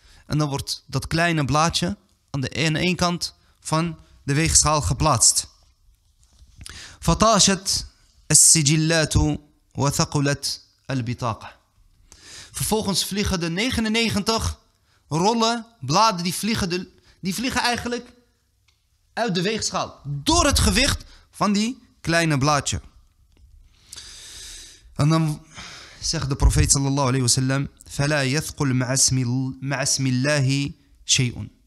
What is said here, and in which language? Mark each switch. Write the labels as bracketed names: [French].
[Dutch] En dan wordt dat kleine blaadje aan de één kant van de weegschaal geplaatst. [Arabic] فطاشت السجلات وثقلت البطاقة. [Dutch] Vervolgens vliegen de 99 rollen, bladen, die vliegen eigenlijk uit de weegschaal door het gewicht van die kleine blaadje. En dan zegt de profeet sallallahu alayhi wa sallam, [Arabic] فلا يثقل مع اسم الله شيء.